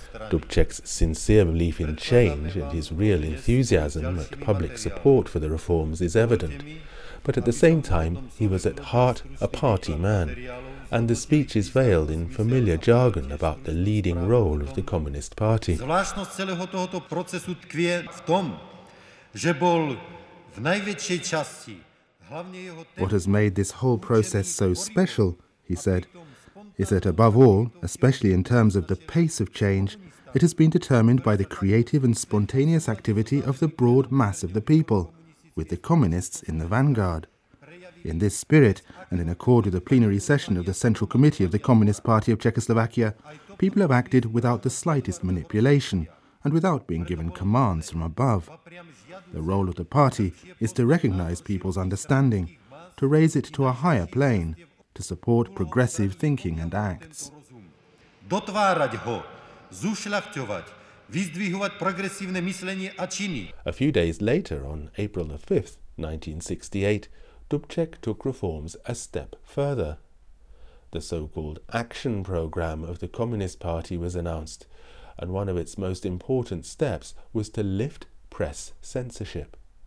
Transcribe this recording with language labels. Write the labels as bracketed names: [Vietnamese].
[English] Dubček's sincere belief in change and his real enthusiasm at public support for the reforms is evident, but at the same time he was at heart a party man, and the speech is veiled in familiar jargon about the leading role of the Communist Party. [Slovak] Zvláštnost celého tohoto procesu tkvě v tom, že bol v největší části hlavně jeho. [English] What has made this whole process so special, he said, is that above all, especially in terms of the pace of change, it has been determined by the creative and spontaneous activity of the broad mass of the people, with the communists in the vanguard. In this spirit, and in accord with the plenary session of the Central Committee of the Communist Party of Czechoslovakia, people have acted without the slightest manipulation and without being given commands from above. The role of the party is to recognize people's understanding, to raise it to a higher plane, to support progressive thinking and acts. [Slovak] Dotvárať ho, zušľachťovať, vyzdvihovať progresívne myslenie a činy. [English] A few days later, on April the 5th, 1968, Dubček took reforms a step further. The so-called action program of the Communist Party was announced, and one of its most important steps was to lift press censorship.